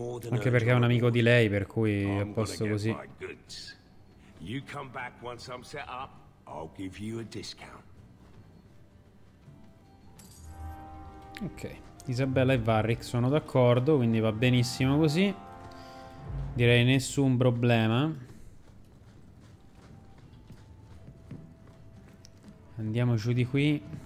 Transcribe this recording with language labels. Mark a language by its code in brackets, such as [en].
[it] Anche perché è un amico di lei, per cui è a posto così. [en] You come back once I'm set up, I'll give you a discount. [it] Ok, Isabella e Varric sono d'accordo, quindi va benissimo così. Direi nessun problema. Andiamo giù di qui.